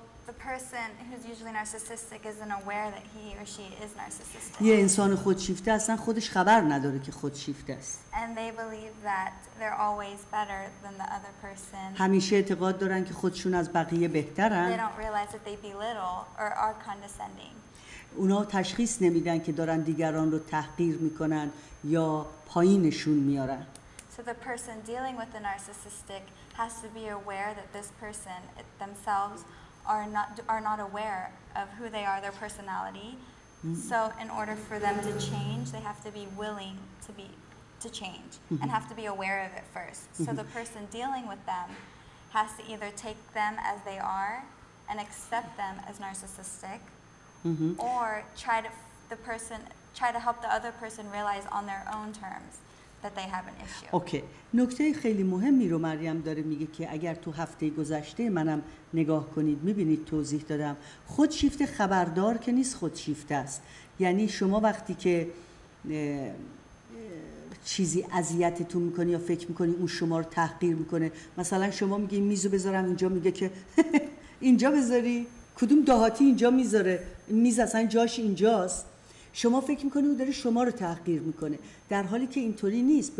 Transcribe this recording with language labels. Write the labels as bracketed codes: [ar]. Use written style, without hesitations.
[en] The person who's usually narcissistic isn't aware that he or she is narcissistic. [fa] یه انسان خودشیفته اصلا خودش خبر نداره که خودشیفته است. [en] And they believe that they're always better than the other person. [fa] همیشه اعتقاد دارن که خودشون از بقیه بهترن. [en] They don't realize that they belittle or are condescending. [fa] اونا تشخیص نمیدن که دارن دیگران رو تحقیر میکنن یا پایینشون میارن. [en] So the person dealing with the narcissistic has to be aware that this person themselves are not aware of who they are, their personality. So in order for them to change, they have to be willing to change and have to be aware of it first. So the person dealing with them has to either take them as they are and accept them as narcissistic, or try to help the other person realize on their own terms that they have an issue. Okay. [fa] نکته خیلی مهمی رو مریم داره میگه که اگر تو هفته گذشته منم نگاه کنید میبینید توضیح دادم. خودشیفته خبردار که نیست، خودشیفته است. یعنی شما وقتی که چیزی اذیتتون میکنه یا فکر میکنی اون شما رو تحقیر میکنه، مثلا شما میگی میزو بذارم اینجا، میگه که اینجا بذاری؟ کدوم دهاتی اینجا میذاره؟ میز اصلا جاش اینجاست؟ شما فکر میکنی او داره شما رو تحقیر میکنه، در حالی که اینطوری نیست.